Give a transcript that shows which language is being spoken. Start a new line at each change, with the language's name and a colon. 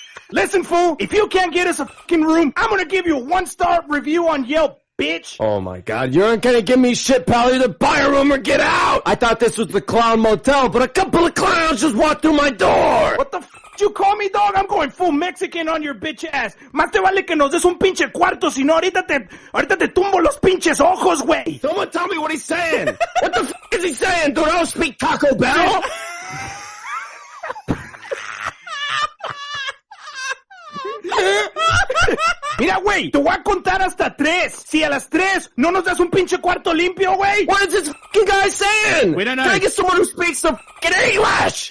English: Listen, fool, if you can't get us a fucking room, I'm gonna give you a one-star review on Yelp. Bitch. Oh my god, you aren't gonna give me shit, pal. Either buy a room or get out. I thought this was the clown motel, but a couple of clowns just walked through my door. What the f*** did you call me, dog? I'm going full Mexican on your bitch ass.
Spanish: Más te vale que nos des un pinche cuarto, si no ahorita te tumbo los pinches ojos, güey.
English: Someone tell me what he's saying. What the f*** is he saying, dude? I don't speak Taco Bell.
Spanish: Mira, güey, te voy a contar hasta tres. Si a las tres no nos das un pinche cuarto limpio, güey.
English: What is this fucking guy saying? We don't know. Can I get someone who speaks the fucking English?